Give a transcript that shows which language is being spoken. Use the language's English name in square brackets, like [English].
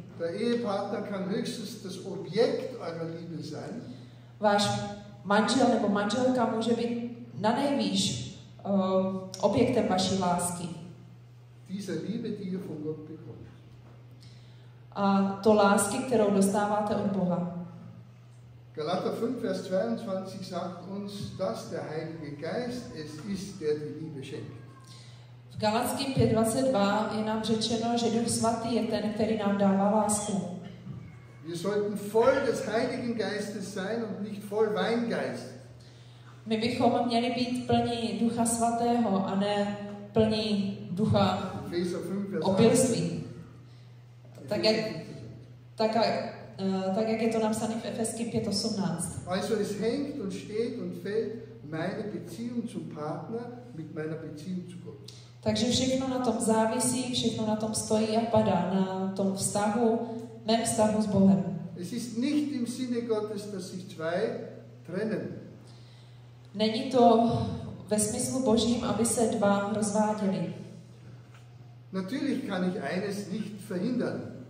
[German] Der Ehepartner kann höchstens das Objekt eurer Liebe sein. [Czech] Váš manžel nebo manželka může být na nejvýš objektem vaší lásky. [German] Dieser Liebe, die ihr von Gott bekommt. [Czech] A to lásky, kterou dostáváte od Boha. [German] Galater 5, Vers 22 sagt uns, dass der Heilige Geist es ist, der die Liebe schenkt. [Czech] V Galatským 5:22 je nám řečeno, že Duch svatý je ten, který nám dává lásku. [German] Wir sollten voll des Heiligen Geistes sein und nicht voll Weingeist. [Czech] My bychom měli být plní Ducha svatého a ne plní ducha opilství. Tak jak je to napsané v Efeským 5:18. [German] Also es hängt und steht und fällt meine Beziehung zum Partner mit meiner Beziehung zu Gott. [Czech] Takže všechno na tom závisí, všechno na tom stojí a padá na tom vztahu, mém vztahu s Bohem. [German] Es ist nicht im Sinne Gottes, dass sich zwei trennen. [Czech] Není to ve smyslu Božím, aby se dva rozváděli. [German] Natürlich kann ich eines nicht verhindern.